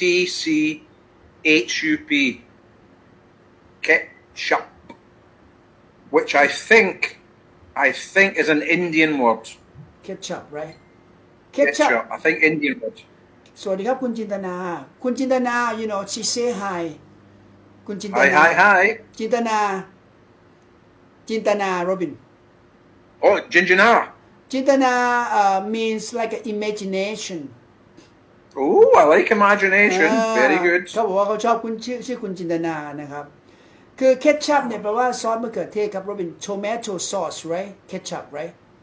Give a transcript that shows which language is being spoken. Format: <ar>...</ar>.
<en>K-E-T-C-H-U-P ketchup which I think is an Indian word ketchup right ketchup I think Indian word</en> <th>สวัสดีครับคุณจินตนาคุณจินตนา</th> <en>you know she say hi</en> <th>คุณจินตนา</th> <en>hi</en> <th>จินตนา Robin</th> <en>oh Jinjana Jintana means like imagination oh I like imagination very good</en> <th>ครับว่าเขาชอบคุณชื่อคุณจินตนานะครับคือ ketchup เนี่ยแปลว่าซอสมะเขือเทศครับ</th> <en>Robin tomato sauce right ketchup right</en>